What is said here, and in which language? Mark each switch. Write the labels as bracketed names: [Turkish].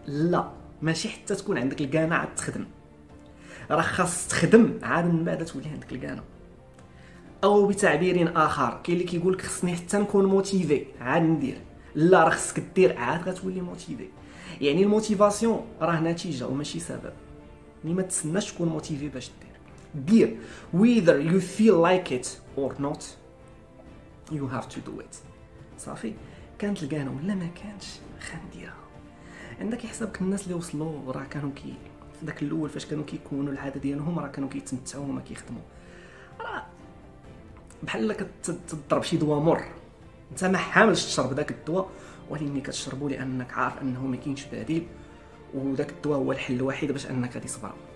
[Arabic] لا، ماشي حتى تكون عندك الكانة عاد تخدم، راه خاص تخدم عاد من بعد تولي عندك الكانة. او بتعبير اخر، كاين اللي كيقول لك خصني حتى نكون موتيفي عاد ندير. لا، راه خصك دير عاد غتولي موتيفي. يعني الموتيفاسيون راه نتيجه وماشي سبب، يعني ما تسناش تكون موتيفي باش دير. [English] دير whether you feel like it or not you have to do it. [Arabic] صافي، كانت الكانة ولا ما كانتش خنديرها. عندك حسابك الناس اللي وصلوا راه كانوا كي داك الاول فاش كانوا كيكونوا العاده ديالهم راه كانوا كيتمتعوا وما كيخدموا، راه بحال لك تضرب شي دواء مر، انت ما حاملش تشرب داك الدواء ولكن كتشربو لانك عارف انه ما كاينش بديل، وداك الدواء هو الحل الوحيد باش انك غادي تصبر.